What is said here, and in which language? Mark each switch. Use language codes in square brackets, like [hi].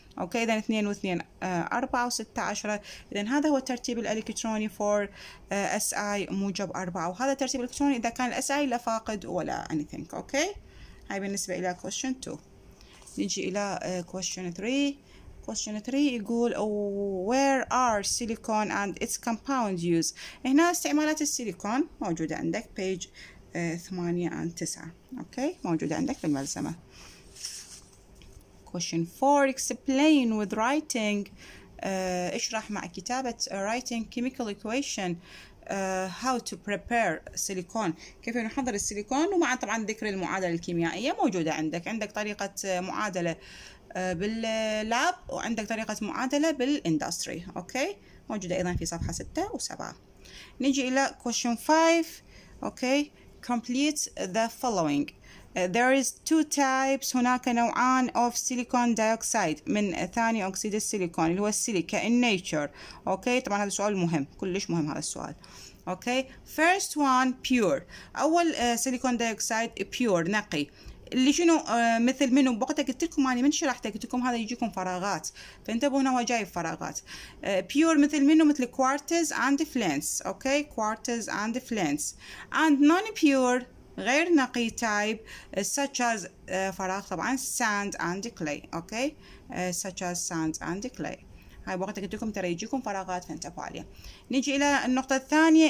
[ar] أوكي، إذا 2 و 2 4 و 6 10. إذا هذا هو الترتيب الإلكتروني [en] for SI [ar] موجب 4، وهذا الترتيب الإلكتروني إذا كان SI لا فاقد ولا anything. أوكي، هاي بالنسبة إلى [en] question 2. [ar] نجي إلى [en] question 3. question 3 [ar] يقول [en] where are silicon and its compound use. [ar] هنا استعمالات السيليكون موجودة عندك [en] page 8 and 9. [ar] أوكي، موجودة عندك في الملزمة. [en] question 4 explain with writing. [ar] اشرح مع كتابة [en] writing chemical equation how to prepare silicon. [ar] كيف نحضر السيليكون، ومع طبعا ذكر المعادلة الكيميائية موجودة عندك. عندك طريقة معادلة باللاب وعندك طريقة معادلة بالإندستري. أوكي، موجودة أيضا في صفحة 6 و 7. نجي إلى [en] question 5. Okay, complete the following. There is two types. [ar] هناك نوعان [en] of silicon dioxide [ar] من ثاني أكسيد السيليكون اللي هو السيليكا [en] in nature. [ar] أوكي، طبعا هذا سؤال مهم، كلش مهم هذا السؤال. [en] Okay, first one pure. [ar] أول [en] silicon dioxide pure، [ar] نقي. اللي شنو مثل منه؟ بوقتها قلت لكم أنا من شرحتها قلت لكم هذا يجيكم فراغات، فانتبهوا هنا هو جايب فراغات. [en] pure [ar] مثل منه؟ مثل [en] quartz and flints. Okay, quartz and flints. and non pure، [ar] غير نقي تايب، [en] such as [ar] فراغ طبعا [en] sand and clay. Okay, such as sand and clay. [ar] هاي بوقتها قلت لكم ترى يجيكم فراغات فانتبهوا عليها. نيجي إلى النقطة الثانية.